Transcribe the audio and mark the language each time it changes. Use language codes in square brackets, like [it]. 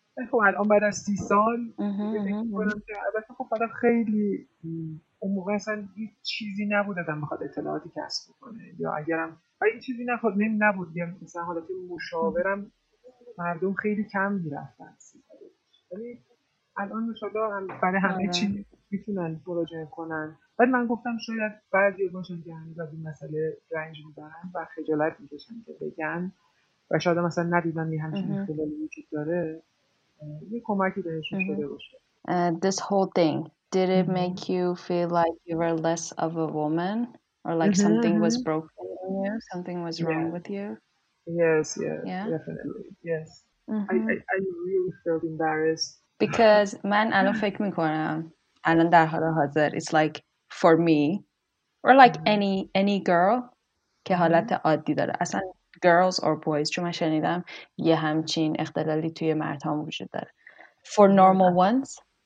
[fa] خب الان بعد از 30 سال البته خب بعد خیلی اون موقع اصلا هیچ چیزی نبود آدم بخواد اطلاعاتی کسب کنه، یا اگرم هیچ چیزی نخواد نمی نبود یا مثلا حالا که مشاورم مردم خیلی کم میرفتن، ولی الان مشاورا هم برای همه چی میتونن مراجعه کنن. بعد من گفتم شاید بعضی باشن که هنوز از این مسئله رنج میبرن و خجالت میکشن که بگن و شاید مثلا ندیدن یه همچین اختلالی وجود داره، یه کمکی بهشون شده باشه. [en] This whole thing, did it make you feel like you were less of a woman or like something was broken in you, something was wrong with you? Yes, definitely. I really felt embarrassed. Because [fa] من الان فکر میکنم الان در حال حاضر [en] it's like for me or like any girl [fa] که حالت عادی داره، اصلا [en] girls or boys، [fa] چون من شنیدم یه همچین اختلالی توی مرد هم وجود داره، [en] for normal ones